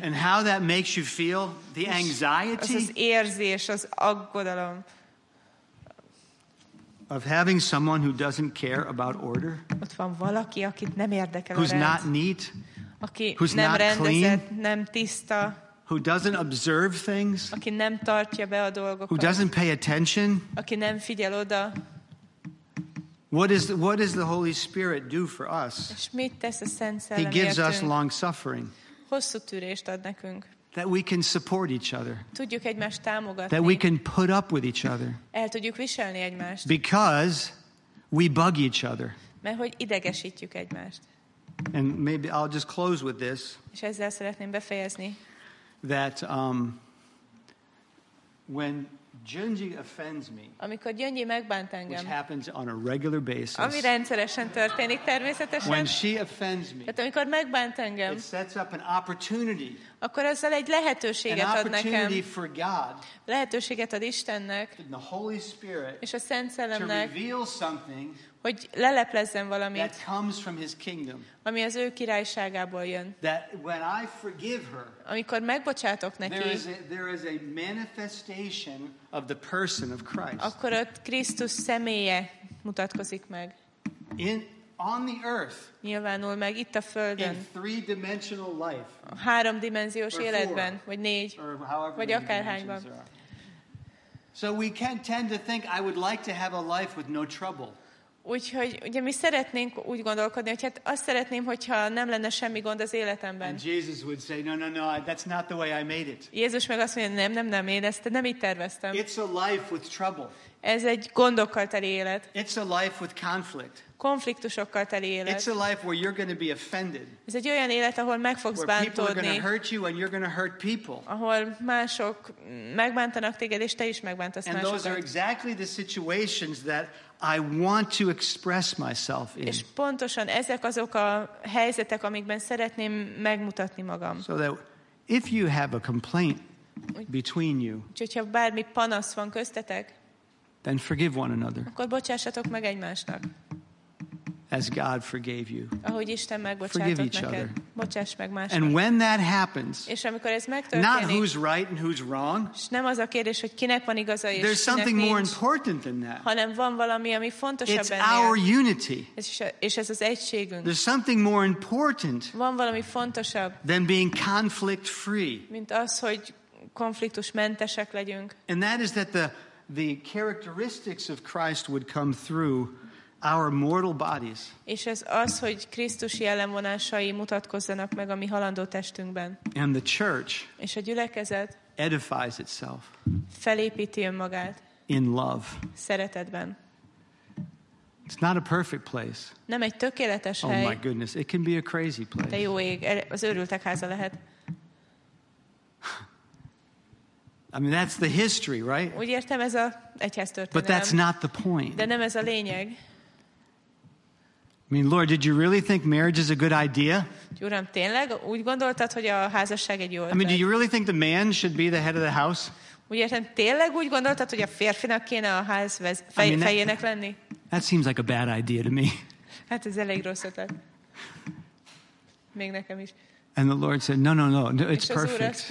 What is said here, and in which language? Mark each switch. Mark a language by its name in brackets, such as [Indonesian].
[English] And how that makes you feel, the anxiety? [Hungarian] Az érzés, az aggodalom. [English] Of having someone who doesn't care about order? [Hungarian] Ott van valaki, akit nem érdekel a rend. [English] Who's not neat? [Hungarian] Aki nem rendezett, nem tiszta. [English] who doesn't observe things, [Hungarian] aki nem tartja be a dolgokat, [English] who doesn't pay attention, [Hungarian] aki nem figyel oda. [English] What does the Holy Spirit do for us? [Hungarian] És mit tesz a Szent Szellem? [English] He gives us long suffering. [Hungarian] Hosszú türést ad nekünk. [English] That we can support each other. [Hungarian] Tudjuk egymást támogatni. [English] That we can put up with each other. [Hungarian] El tudjuk viselni egymást. [English] Because we bug each other. [Hungarian] Mert hogy idegesítjük egymást. [English] And maybe I'll just close with this. [Hungarian] És ezzel szeretném befejezni. [English] That when Gyöngyi offends me, [Hungarian] amikor Gyöngyi megbánt engem, [English] which happens on a regular basis, [Hungarian] ami rendszeresen történik természetesen, [English] when she offends me, [Hungarian] tehát amikor megbánt engem, [English] it sets up an opportunity, [Hungarian] akkor ezzel egy lehetőséget ad nekem, [English] an opportunity for God, [Hungarian] lehetőséget ad Istennek, [English] and the Holy Spirit, [Hungarian] és a Szent Szellemnek, [English] to reveal something, [Hungarian] hogy leleplezzen valamit, [English] that comes from His kingdom, [Hungarian] ami az ő királyságából jön, [English] that when I forgive her, [Hungarian] amikor megbocsátok neki, [English] there is a manifestation of the person of Christ, [Hungarian] akkor ott Krisztus személye mutatkozik meg. [English] On the earth, [Hungarian] nyilvánul meg itt a Földön, [English] in three-dimensional life, [Hungarian] a háromdimenziós életben, vagy négy, vagy akárhányban. [English] So we can tend to think, I would like to have a life with no trouble. [Hungarian] Úgyhogy ugye mi szeretnénk úgy gondolkodni, hogy hát azt szeretném, hogyha nem lenne semmi gond az életemben. [English] And Jesus would say, no, that's not the way I made it. [Hungarian] Jézus meg azt mondja, nem, én ezt nem így terveztem. [English] It's a life with trouble. [Hungarian] Ez egy gondokkal teli élet. [English] It's a life with conflict. [Hungarian] Konfliktusokkal teli élet. [English] It's a life where you're going to be offended. [Hungarian] Ez egy olyan élet, ahol meg fogsz bántódni. [English] Where people are going to hurt you and you're going to hurt people. [Hungarian] Ahol mások megbántanak téged, és te is megbántasz másokat. [English] And those are exactly the situations that I want to express myself in. [Hungarian] És pontosan ezek azok a helyzetek, amikben szeretném megmutatni magam. [English] So that if you have a complaint between you, [Hungarian] hogyha bármi panasz van köztetek, [English] then forgive one another. [Hungarian] Akkor bocsássatok meg egymásnak. [English] As God forgave you. [Hungarian] Ahogy Isten megbocsátott neked. [English] Forgive each other. [Hungarian] Bocsáss meg másnak. [English] And when that happens, [Hungarian] és amikor ez megtörténik, [English] not who's right and who's wrong, [Hungarian] és nem az a kérdés, hogy kinek van igaza és kinek nincs, [English] there's something more important than that. [Hungarian] Hanem van valami, ami fontosabb ennél. [English] It's our unity. [Hungarian] És ez az egységünk. [English] There's something more important, [Hungarian] van valami fontosabb, [English] than being conflict free. [Hungarian] Mint az, hogy konfliktusmentesek legyünk. [English] And that is that the characteristics of Christ would come through our mortal bodies. [Hungarian] És ez az, hogy Krisztus jellemvonásai mutatkozzanak meg a mi halandó testünkben. [English] And the church, [Hungarian] és a gyülekezet, [English] edifies itself, [Hungarian] felépíti önmagát, [English] in love, [Hungarian] szeretetben. [English] It's not a perfect place. [Hungarian] Nem egy tökéletes hely. [English] Oh my goodness, it can be a crazy place. [Hungarian] De jó ég, az őrültek háza lehet. [English] I mean, that's the history, right? [Hungarian] Úgy értem, ez a egyház történelem. [English] But that's not the point. [Hungarian] De nem ez a lényeg. [English] I mean, Lord, did you really think marriage is a good idea? [Hungarian] Uram, tényleg úgy gondoltad, hogy a házasság egy jó ötlet? [English] I mean, do you really think the man should be the head of the house? [Hungarian] Úgy értem, tényleg úgy gondoltad, hogy a férfinak kéne a ház fejének lenni? [English] That seems like a bad idea to me. [Hungarian] Hát ez elég rossz ötlet. Még nekem is. [English] And the Lord said, no, it's perfect.